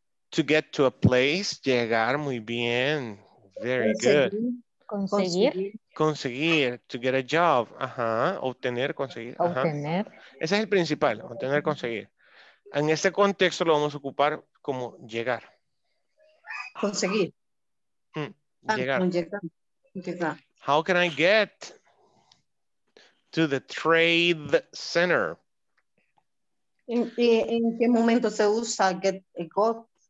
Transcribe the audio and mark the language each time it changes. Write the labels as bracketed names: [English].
[English] To get to a place, llegar, [Spanish] muy bien. [English] Very good. [Spanish] Conseguir. Conseguir, [English] to get a job. [Spanish] Ajá, obtener, conseguir. Ajá. Obtener. Ese es el principal, obtener, conseguir. En este contexto lo vamos a ocupar como llegar. Conseguir. Llegar. Llegar. [English] How can I get to the trade center? [Spanish] ¿En qué momento se usa get a got?